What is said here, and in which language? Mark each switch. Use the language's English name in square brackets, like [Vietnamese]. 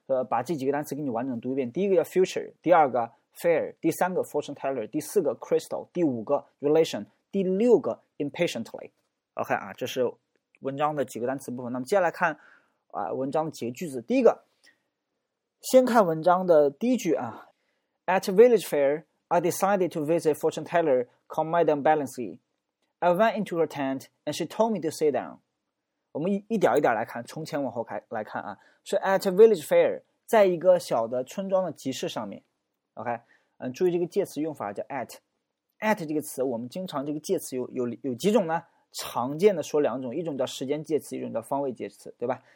[Chinese] 把这几个单词给你完整读一遍，第一个叫 future， 第二个 fair， 第三个 fortune teller， 第四个 crystal， 第五个 relation， 第六个 impatiently。 OK 啊，这是文章的几个单词部分。那么接下来看文章的几个句子。第一个，先看文章的第一句啊， At village fair I decided to visit fortune teller called Madame Balancy. [English] I went into her tent and she told me to sit down。 [Chinese] 我们一点一点来看，从前往后来看啊，是 at a village fair，在一个小的村庄的集市上面。 OK， 注意这个介词用法叫 at 这个词，我们经常这个介词有几种呢？常见的说两种，一种叫时间介词，一种叫方位介词，对吧？